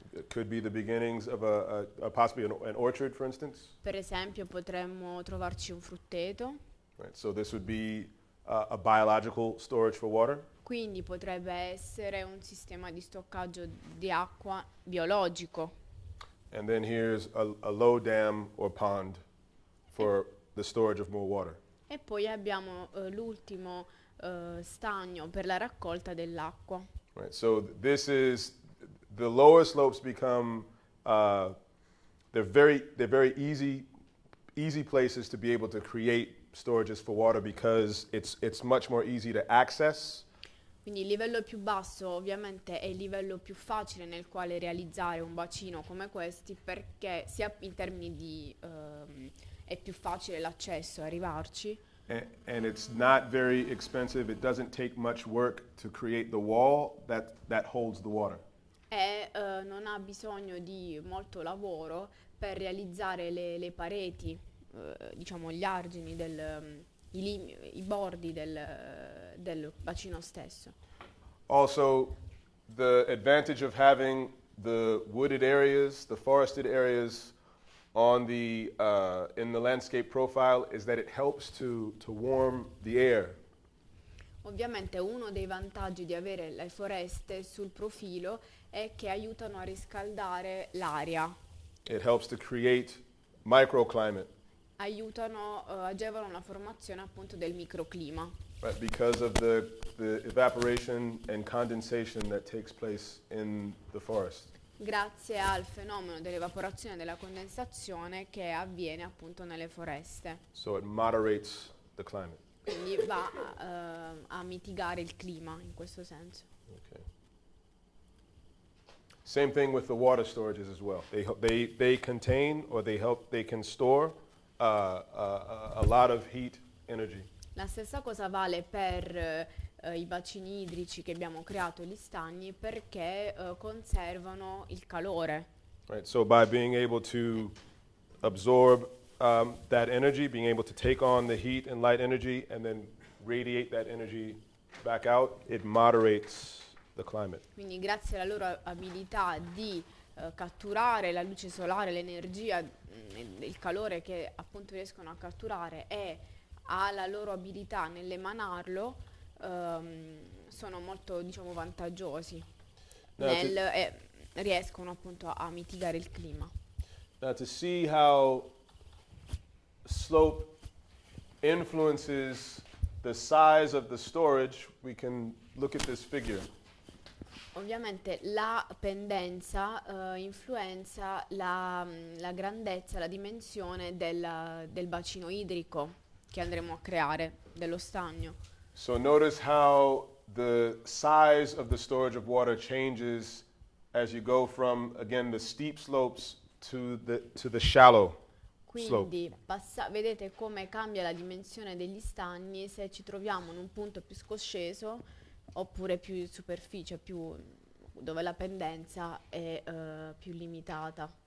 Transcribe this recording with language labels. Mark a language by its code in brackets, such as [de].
[en] It could be the beginnings of a possibly an orchard, for instance. [it] Per esempio potremmo trovarci un frutteto. [en] Right, so this would be a biological storage for water. [it] Quindi potrebbe essere un sistema di stoccaggio di acqua biologico. [en] And then here's a low dam or pond for the storage of more water. [it] E poi abbiamo l'ultimo stagno per la raccolta dell'acqua. [en] Right, so this is the lower slopes become they're very easy places to be able to create storages for water because it's much more easy to access. [it] Quindi il livello più basso ovviamente è il livello più facile nel quale realizzare un bacino come questi perché sia in termini di è più facile l'accesso, arrivarci. [en] And it's not very expensive, it doesn't take much work to create the wall that holds the water. [it] E non ha bisogno di molto lavoro per realizzare le pareti, diciamo gli argini del i bordi del bacino stesso. [en] Also, the advantage of having the wooded areas, the forested areas on the in the landscape profile is that it helps to warm the air. [it] Ovviamente uno dei vantaggi di avere le foreste sul profilo è che aiutano a riscaldare l'aria. [en] It helps to create microclimate. [it] Aiutano, agevolano la formazione appunto del microclima. [en] Right, because of the evaporation and condensation that takes place in the forest. [it] Grazie al fenomeno dell'evaporazione e della condensazione che avviene appunto nelle foreste. [en] So it moderates the climate. [it] Quindi va a mitigare il clima in questo senso. [en] Okay. Same thing with the water storages as well. They contain or they help, they can store a lot of heat energy. [it] La stessa cosa vale per i bacini idrici che abbiamo creato, gli stagni, perché conservano il calore. [en] Right, so by being able to absorb that energy, being able to take on the heat and light energy and then radiate that energy back out, it moderates the climate. [it] Quindi grazie alla loro abilità di catturare la luce solare, l'energia, il calore che appunto riescono a catturare e alla loro abilità nell'emanarlo, sono molto, diciamo, vantaggiosi. Now nel riescono appunto a mitigare il clima. [en] Now to see how slope influences the size of the storage, we can look at this figure. [it] Ovviamente la pendenza influenza la grandezza, la dimensione del bacino idrico che andremo a creare, dello stagno. [en] So notice how the size of the storage of water changes as you go from, again, the steep slopes to the shallow. [it] Quindi vedete come cambia la dimensione degli stagni se ci troviamo in un punto più scosceso oppure più in superficie, più dove la pendenza è più limitata.